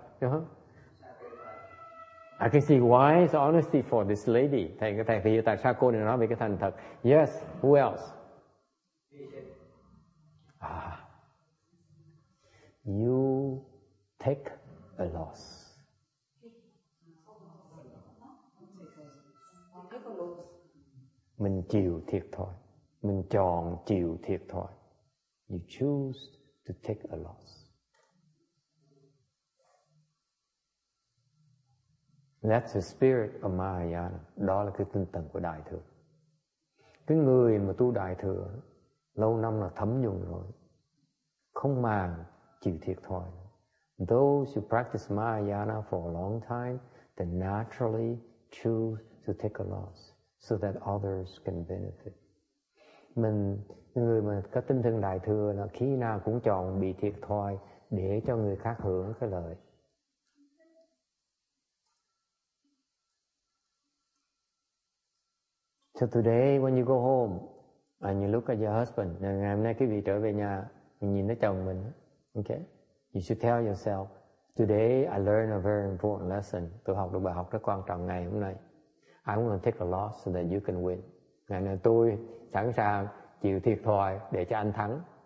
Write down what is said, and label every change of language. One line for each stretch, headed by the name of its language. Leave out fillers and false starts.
English: Yeah. I can see why is honesty for this lady.
Vietnamese: Thầy hiểu tại sao cô này nói về cái thành thật.
English: Yes, who else? Ah. You take a loss.
Vietnamese: Mình chịu thiệt thôi. Mình chọn chịu thiệt thôi.
English: You choose to take a loss. That's the spirit of Mahayana.
Vietnamese: Đó là cái tinh thần của Đại Thừa. Cái người mà tu Đại Thừa lâu năm là thấm nhuần rồi. Không màng chịu thiệt thôi.
English: Those who practice Mahayana for a long time, they naturally choose to take a loss so that others can benefit.
Vietnamese: Mình, người mà có tinh thần Đại Thừa là khi nào cũng chọn bị thiệt thòi để cho người khác hưởng cái lợi.
English: So today when you go home and you look at your husband,
Vietnamese: ngày hôm nay quý vị trở về nhà, mình nhìn thấy chồng mình,
English: okay? You should tell yourself, Today I learned a very important lesson.
Vietnamese: Tôi học được bài học rất quan trọng ngày hôm nay.
English: I'm going to take a loss so that you can win.
Vietnamese: Ngày nay tôi sẵn sàng chịu thiệt thòi để cho anh thắng.